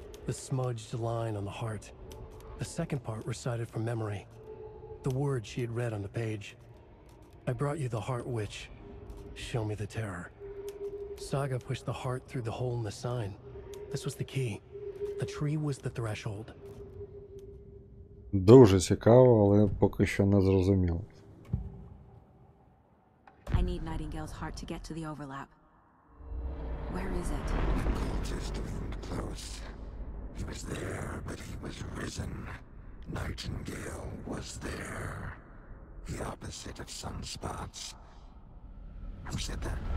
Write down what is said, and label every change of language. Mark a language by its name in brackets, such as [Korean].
[English] The smudged line on the heart. The second part recited from memory. The words she had read on the page. I brought you the heart, witch. Show me the terror. Saga pushed the heart through the hole in the sign. This was the key. The tree was the threshold. [Ukrainian] Дуже цікаво, але поки що не зрозуміло. [English] I need Nightingale's heart to get to the overlap. Where is it? The cultist leaned close. He was there, but he was risen. Nightingale was there. The opposite of sunspots. Who said that?